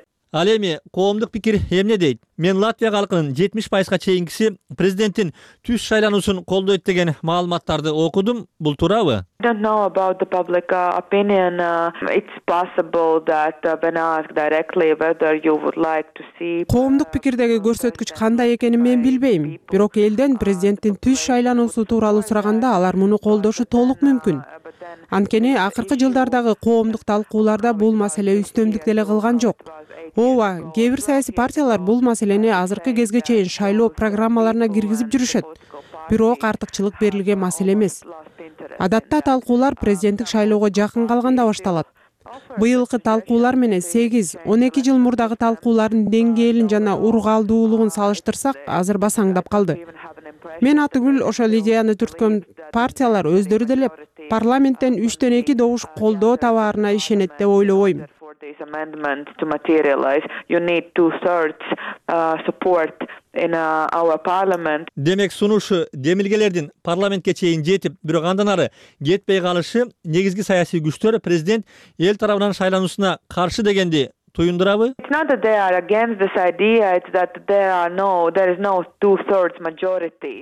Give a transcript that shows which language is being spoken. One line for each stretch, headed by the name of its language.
Kyrgyz: Ал эми коомдук пикир эмне дейт? Мен Латвия халкынын 70% чейинкиси президенттин түз шайлануусун колдойт деген маалыматтарды окудум. Бул туурабы?
English: I don't know about the public opinion. It's possible that when asked directly whether you would like to see
Kyrgyz: коомдук пикирдеги көрсөткүч кандай экенин мен билбейм. Бирок элден президенттин түз шайлануусу тууралуу сураганда алар муну колдошу толук мүмкүн. Анткени акыркы жылдардагы коомдук талкууларда бул маселе үстөмдүк деле кылган жок. Ооба, кээ бир саясий партиялар бул маселени азыркы кезге чейин шайлоо программаларына киргизип жүрүшөт. Бирок артыкчылык берилген маселе эмес. Адатта талкуулар президенттик шайлоого жакын калганда башталат. Быйылкы талкуулар менен 8-12 жыл мурдагы талкуулардын деңгээлин жана ургаалдуулугун салыштырсак, азыр басаңдап калды. Мен атыгүл ошол идеяны түрткөн партиялар өздөрү деле парламенттен 3-2 добуш колдоо табарына ишенет деп ойлобойм.
English: This amendment to materialize, you need 2/3 support in our parliament.
Kyrgyz: Демек сунушу демилгелердин парламентке чейин жетип, бирок андан ары жетпей калышы негизги саясий күчтөр президент эл тарабынан шайлануусуна каршы дегенди туюндурабы?
English: It's not that they are against this idea, it's that there is no 2/3 majority.